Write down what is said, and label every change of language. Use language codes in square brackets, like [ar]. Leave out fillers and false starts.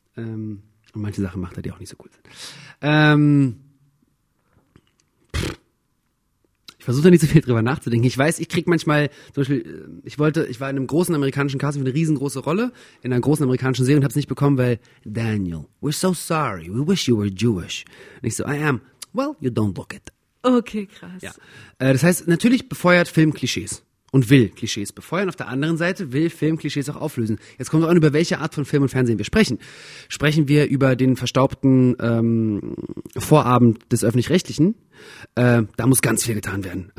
[de] Und manche Sachen macht er, die auch nicht so cool sind. Ich versuche da nicht so viel drüber nachzudenken. Ich weiß, ich krieg manchmal, zum Beispiel, ich war in einem großen amerikanischen Casting für eine riesengroße Rolle in einer großen amerikanischen Serie und hab's nicht bekommen, weil Daniel, [en] we're so sorry, we wish you were Jewish. [de] Und ich so, [en] I am, well, you don't look it. [de] Okay, krass. Ja. Das heißt, natürlich befeuert Film Klischees und will Klischees befeuern. Auf der anderen Seite will Film Klischees auch auflösen. Jetzt kommt es auch an, über welche Art von Film und Fernsehen wir sprechen. Sprechen wir über den verstaubten Vorabend des Öffentlich-Rechtlichen, da muss ganz viel getan werden.